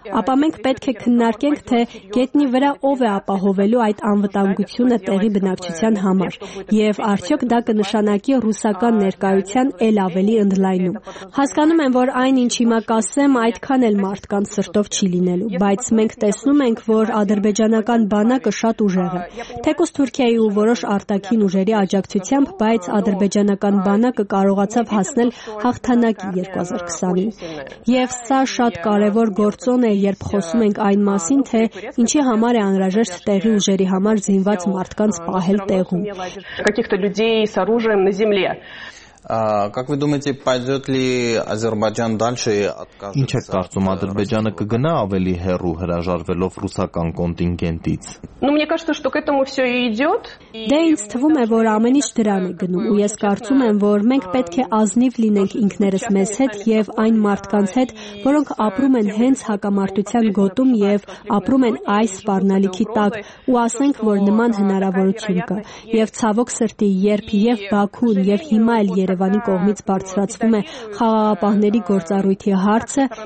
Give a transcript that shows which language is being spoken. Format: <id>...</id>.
<hy>ապա մենք պետք է քննարկենք, թե գետնի վրա ով է ապահովելու այդ անվտանգությունը տեղի բնակչության համար, և արդյոք դա կնշանակի ռուսական ներկայության էլ ավելի ընդլայնում։ Հասկանում եմ, որ այն, ինչ հիմա կասեմ, այդքան էլ մարդկանց սրտով չի լինելու, բայց մենք տեսնում ենք, որ ադրբեջանական բանակը շատ ուժեղ է, թեկուզ Թուրքիայի ու որոշ արտաքին ուժերի աջակցությամբ, բայց ադրբեջանական բանակը կարողացավ հասնել հաղթանակի 2020-ին։ Եվ սա շատ կարևոր գործոն է, երբ խոսում ենք այն մասին, թե ինչի համար է անհրաժեշտ տեղի ուժերի համար զինված մարդկանց պահել տեղում։</hy> <ru>Каких-то людей с оружием на земле. Как вы думаете, пойдет ли Азербайджан дальше и откажется?</ru> <hy>Ինչ եք կարծում, Ադրբեջանը կգնա ավելի հեռու հրաժարվելով ռուսական կոնտինգենտից?</hy> <ru>Ну, мне кажется, что к этому всё и идёт.</ru> <hy>Դե ինձ թվում է, որ ամեն ինչ դրան է գնում, ու ես կարծում եմ, որ մենք պետք է ազնիվ լինենք ինքներս մեզ հետ եւ այն մարդկանց հետ, որոնք ապրում են հենց հակամարտության գոտում եւ ապրում են այս սպառնալիքի տակ, ու ասենք, որ նման հնարավորություն կա, եւ ցավոք սրտի, երբ եւ Բաքուն, եւ հիմա էլ Երևանի կողմից բարձրացվում է խաղաղապահների գործառույթի հարցը,</hy>